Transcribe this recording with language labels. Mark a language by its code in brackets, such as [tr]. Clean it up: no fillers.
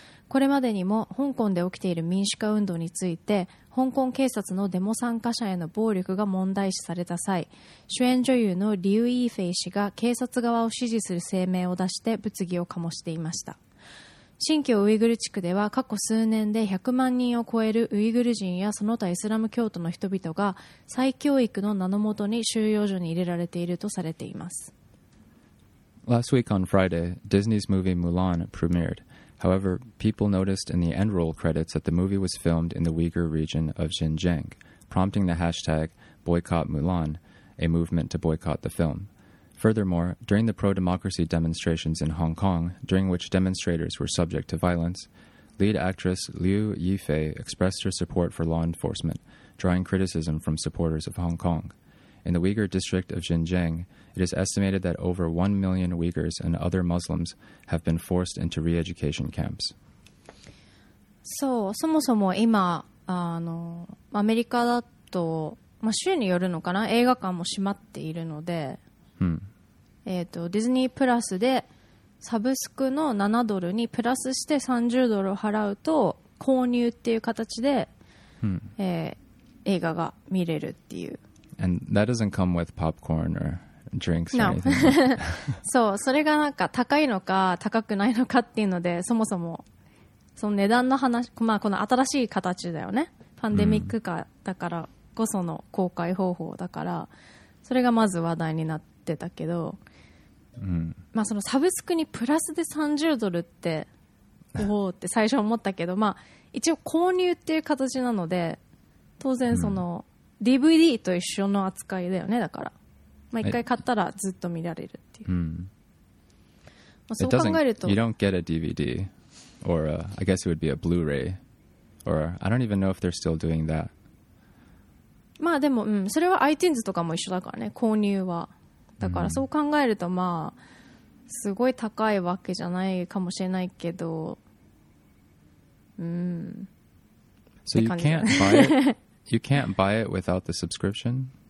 [ja] これまでにも香港で起きている民主化運動について、香港警察のデモ参加者への暴力が問題視された際、主演女優のリュウ・イーフェイ氏が警察側を支持する声明を出して物議を醸していました。新疆ウイグル地区では過去数年で100万人を超えるウイグル人やその他イスラム教徒の人々が再教育の名のもとに収容所に入れられているとされています。 [en] Last week on Friday, Disney's movie Mulan premiered. However, people noticed in the end roll credits that the movie was filmed in the Uyghur region of Xinjiang, prompting the hashtag Boycott Mulan, a movement to boycott the film. Furthermore, during the pro-democracy demonstrations in Hong Kong, during which demonstrators were subject to violence, lead actress Liu Yifei expressed her support for law enforcement, drawing criticism from supporters of Hong Kong. In the Uyghur district of Xinjiang, it is estimated that over 1 million Uyghurs and other Muslims have been forced into re-education camps. [ja] So, そもそも今、アメリカだと、州によるのかな、映画館も閉まっているので、ディズニープラスでサブスクの7ドルにプラスして30ドル払うと購入っていう形で、映画が見れるっていう。 [en] And that doesn't come with popcorn or drinks or anything. No. [ja] そう、それがなんか高いのか高くないのかっていうので、そもそもその値段の話、この新しい形だよね、パンデミック化だからこその公開方法だから、それがまず話題になってってたけど、うん、そのサブスクにプラスで30ドルっておおって最初思ったけど、一応購入っていう形なので、当然その DVD と一緒の扱いだよね。だから一回買ったらずっと見られるっていう、そう考えると [en] You don't get a DVD or I guess it would be a Blu-ray or I don't even know if they're still doing that. [ja] でも、それは iTunes とかも一緒だからね、購入は。だからそう考えると、すごい高いわけじゃないかもしれないけど、 [en] So you can't buy it. You can't buy it without the subscription.